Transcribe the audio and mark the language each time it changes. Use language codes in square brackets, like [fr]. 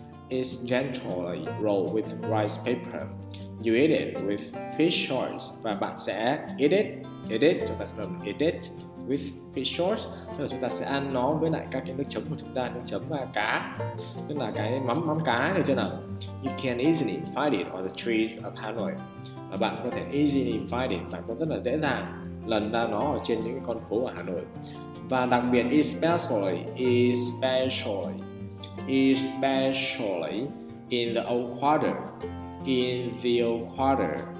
[en] It's gently rolled with rice paper. You eat it with fish sauce. [vi] Và bạn sẽ [en] eat it with fish sauce. [vi] Tức là chúng ta sẽ ăn nó với lại các cái nước chấm của chúng ta, nước chấm và cá. Tức là cái mắm cá này chưa nào. [en] You can easily find it on the trees of Hanoi. [vi] Và bạn có thể [en] easily find it, [vi] bạn có rất là dễ dàng lần ra nó ở trên những con phố ở Hà Nội. Và đặc biệt [en] especially in the old quarter. In the old quarter.